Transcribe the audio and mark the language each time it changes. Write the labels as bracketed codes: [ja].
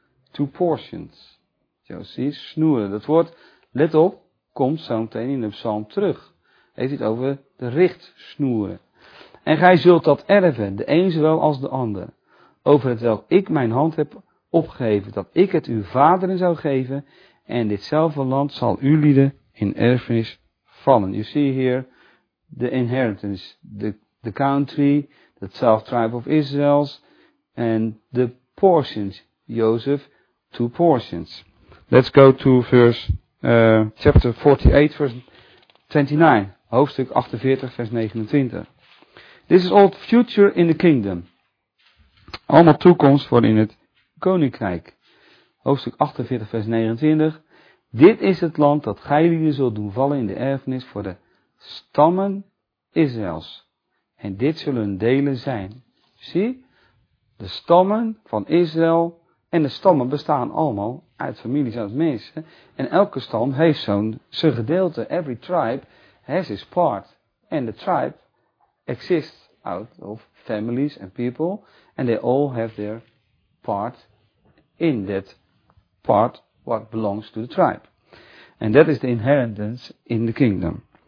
[en] Two portions. [nl] Jozefs snoeren. Dat woord, let op, komt zo meteen in de psalm terug. Heeft het over de richtsnoeren. En gij zult dat erven, de een zowel als de ander, over het welk ik mijn hand heb opgegeven, dat ik het uw vaderen zou geven. En ditzelfde land zal u lieden in erfenis vallen. [en] You see here the inheritance. The country, the 12 tribe of Israel's, and the portions, Joseph, two portions. Let's go to chapter 48, verse 29, [nl] hoofdstuk 48, vers 29. [en] This is all future in the kingdom. [nl] Allemaal toekomst voor in het koninkrijk. Hoofdstuk 48, vers 29. Dit is het land dat gij lieden zult doen vallen in de erfenis voor de stammen Israëls. En dit zullen hun delen zijn. Zie, de stammen van Israël. En de stammen bestaan allemaal uit families, uit mensen. En elke stam heeft zijn gedeelte. [en] Every tribe has its part. And the tribe exists out of families and people. And they all have their part in that part what belongs to the tribe. And that is the inheritance in the kingdom.